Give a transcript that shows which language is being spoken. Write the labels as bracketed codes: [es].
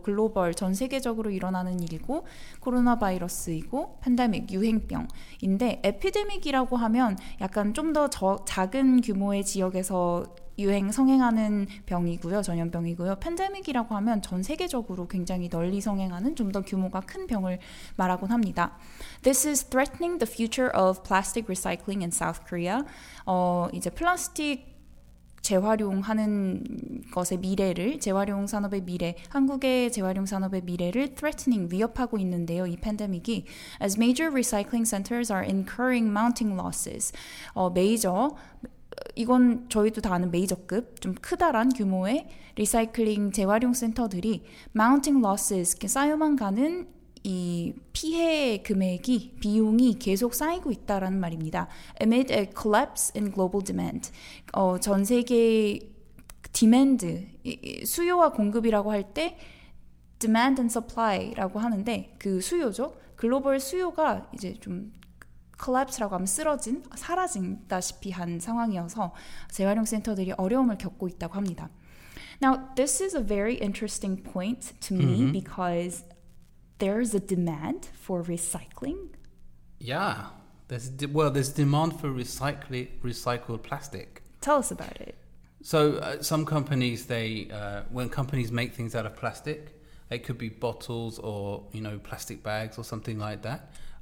[ko] 글로벌, 전 세계적으로 일어나는 일이고 코로나 바이러스이고 팬데믹, 유행병인데 에피데믹이라고 하면 약간 좀 더 작은 규모의 지역에서 유행, 성행하는 병이고요. 전염병이고요. 팬데믹이라고 하면 전 세계적으로 굉장히 널리 성행하는 좀 더 규모가 큰 병을 말하곤 합니다. [en] This is threatening the future of plastic recycling in South Korea. [ko] 이제 플라스틱 재활용하는 것의 미래를, 재활용 산업의 미래, 한국의 재활용 산업의 미래를 threatening, 위협하고 있는데요, 이 팬데믹이. [en] As major recycling centers are incurring mounting losses. [ko] 메이저, 이건 저희도 다 아는 메이저급, 좀 크다란 규모의 리사이클링 재활용 센터들이 [en] mounting losses, [ko] 쌓여만 가는 이 피해 금액이, 비용이 계속 쌓이고 있다라는 말입니다. [en] Amid a collapse in global demand. [ko] 전 세계 demand, 수요와 공급이라고 할 때 [en] demand and supply [ko] 라고 하는데 그 수요죠. 글로벌 수요가 이제 좀 collapse라고 하면 쓰러진, 사라진다시피 한 상황이어서 재활용 센터들이 어려움을 겪고 있다고 합니다. [en] Now, this is a very interesting point to me because there's a demand for recycling. Yeah, there's demand for recycled plastic. Tell us about it. So some companies, when companies make things out of plastic, it could be bottles or, you know, plastic bags or something like that.